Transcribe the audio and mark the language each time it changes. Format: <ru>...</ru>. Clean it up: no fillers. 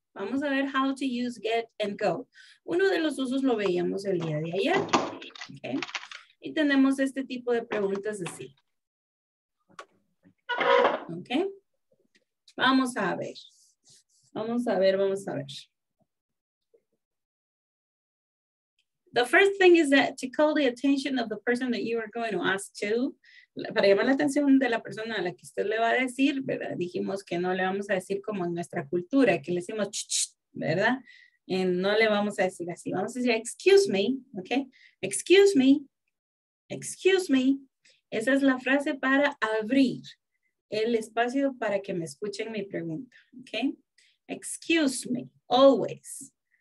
<es>Vamos a ver</es> <en>how to use get and go.</en> <es>Uno de los usos lo veíamos el día de ayer. Okay. Y tenemos este tipo de preguntas así. Ok. Vamos a ver. Vamos a ver, vamos a ver.</es> <en>The first thing is that to call the attention of the person that you are going to ask to.</en> <es>Para llamar la atención de la persona a la que usted le va a decir, ¿verdad? Dijimos que no le vamos a decir como en nuestra cultura, que le decimos ch-ch, ¿verdad? And no le vamos a decir así. Vamos a decir,</es> <en>excuse me,</en> <es>okay?</es> <en>Excuse me, excuse me.</en> <es>Esa es la frase para abrir el espacio para que me escuchen mi pregunta, okay?</es> <en>Excuse me, always.</en>